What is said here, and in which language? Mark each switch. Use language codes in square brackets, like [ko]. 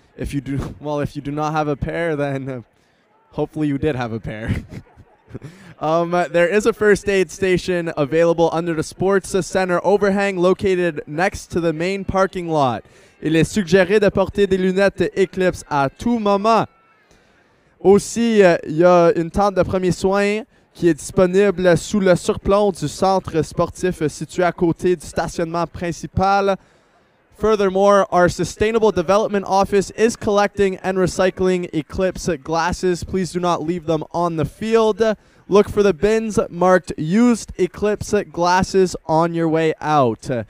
[en] If you do, well, if you do not have a pair, then hopefully you did have a pair. there is a first aid station available under the Sports Center overhang located next to the main parking lot. [fr] Il est suggéré de porter des lunettes Eclipse à tout moment. Aussi, il y a une tente de premiers soins qui est disponible sous le surplomb du centre sportif situé à côté du stationnement principal. [en] Furthermore, our Sustainable Development Office is collecting and recycling Eclipse glasses. Please do not leave them on the field. Look for the bins marked used Eclipse glasses on your way out.